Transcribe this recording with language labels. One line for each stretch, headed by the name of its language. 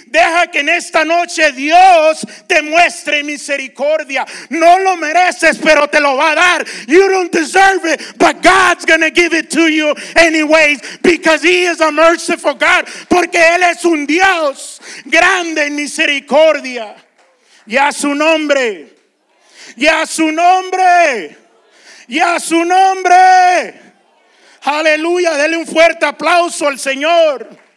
Spanish: Deja que en esta noche Dios te muestre misericordia. No lo mereces, pero te lo va a dar.
English: You don't deserve it, but God's going to give it to you anyways, because he is a merciful God.
Spanish: Porque él es un Dios grande en misericordia. Y a su nombre. Y a su nombre. Y a su nombre. Aleluya, dele un fuerte aplauso al Señor.